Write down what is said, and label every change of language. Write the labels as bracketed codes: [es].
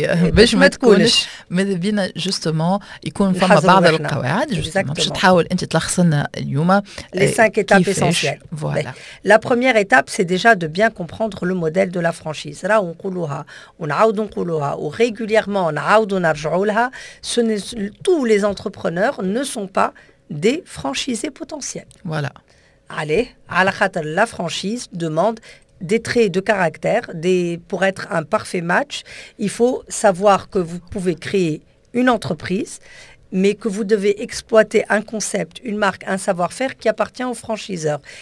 [ar] باش ما تكونش ماذا بينا justement يكون فما بعض القواعد باش تحاول انت تلخصنا اليوم [fr] les 5 étapes essentielles. Voilà. Mais, la première étape c'est déjà de bien comprendre le modèle de la franchise. Là on [ar] قولوها ونعاود نقولوها [fr] ou régulièrement [ar] نعاود ونرجعولها. [fr] Tous les entrepreneurs ne sont pas des franchisés potentiels. Voilà. Allez, à la خاطر la franchise demande des traits de caractère, pour être un parfait match, il faut savoir que vous pouvez créer une entreprise, mais que vous devez exploiter un concept, une marque, un savoir-faire qui appartient au franchiseur.